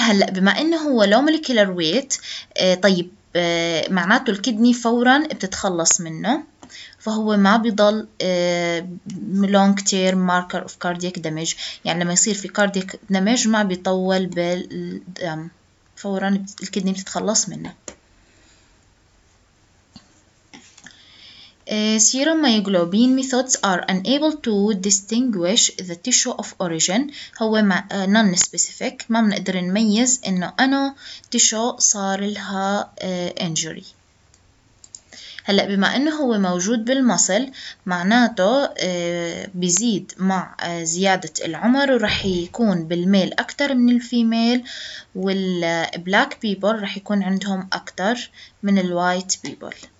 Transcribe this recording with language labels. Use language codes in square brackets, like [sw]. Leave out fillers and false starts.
[ar] هلا بما انه هو low molecular weight، طيب معناته الكيدني فورا بتتخلص منه، فهو ما بيضل [en] long term marker of cardiac damage، [ar] يعني لما يصير في cardiac damage ما بيطول بالدم، فورا الكيدني بتتخلص منه. [en] Serum myoglobin methods are unable to distinguish the tissue of origin. [ar] هو ما non-specific. ما بنقدر نميز إنه أنا tissue صار لها injury. هلأ بما أنه هو موجود بالمصل معناته بيزيد مع زيادة العمر ورح يكون بالميل أكتر من الفيميل، والبلاك بيبل رح يكون عندهم أكتر من الوايت بيبل.